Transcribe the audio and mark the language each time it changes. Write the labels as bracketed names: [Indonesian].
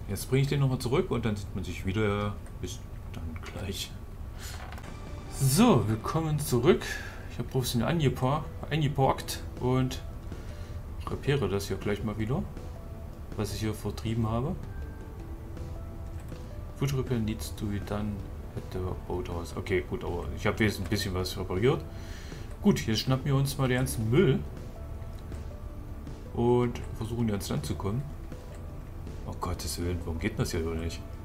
[German] Jetzt bringe ich den nochmal zurück und dann sieht man sich wieder. Bis dann gleich. So, willkommen zurück. Ich habe professionell eingeparkt und repariere das hier gleich mal wieder, was ich hier vertrieben habe. [English] Food Repair needs to be done at the boathouse. [German] Okay, gut, aber ich habe jetzt ein bisschen was repariert. Gut, jetzt schnappen wir uns mal den ganzen Müll und versuchen hier ans Land zu kommen. Oh Gottes Willen, warum geht das hier so nicht?